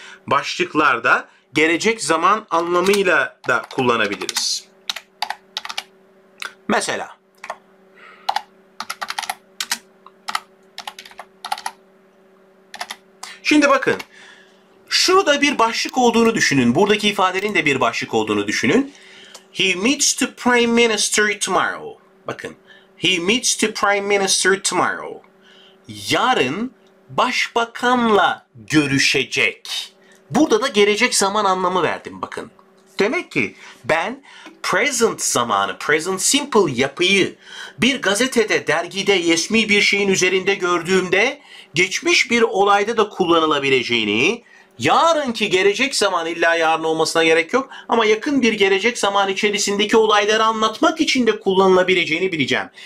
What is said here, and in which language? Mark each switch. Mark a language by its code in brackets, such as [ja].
[tr] Başlıklarda gelecek zaman anlamıyla da kullanabiliriz. Mesela. Şimdi bakın. Şunu da bir başlık olduğunu düşünün. Buradaki ifadenin de bir başlık olduğunu düşünün. [en] He meets the Prime Minister tomorrow. Bakın. He meets the Prime Minister tomorrow. [tr] Yarın başbakanla görüşecek. Burada da gelecek zaman anlamı verdim bakın. Demek ki ben present zamanı, present simple yapıyı bir gazetede, dergide, resmi bir şeyin üzerinde gördüğümde geçmiş bir olayda da kullanılabileceğini, yarınki gelecek zaman illa yarın olmasına gerek yok ama yakın bir gelecek zaman içerisindeki olayları anlatmak için de kullanılabileceğini bileceğim.